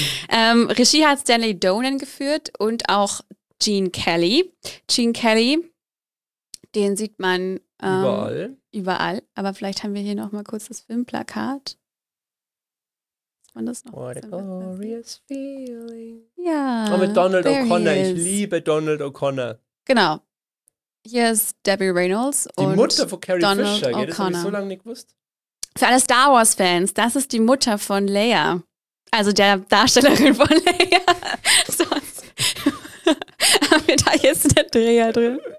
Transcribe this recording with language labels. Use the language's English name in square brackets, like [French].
[German] Regie hat Stanley Donen geführt und auch Gene Kelly. Gene Kelly, den sieht man überall. Aber vielleicht haben wir hier noch mal kurz das Filmplakat. Das noch [English] What a glorious feeling. [German] Ja. Oh, mit Donald O'Connor. Ich liebe Donald O'Connor. Genau. Hier ist Debbie Reynolds und die Mutter von Carrie Donald Fisher. O'Connor. Das habe ich so lange nicht gewusst. Für alle Star Wars Fans, das ist die Mutter von Leia. Also der Darstellerin von Leia. Sonst haben wir da jetzt eine Dreher drin.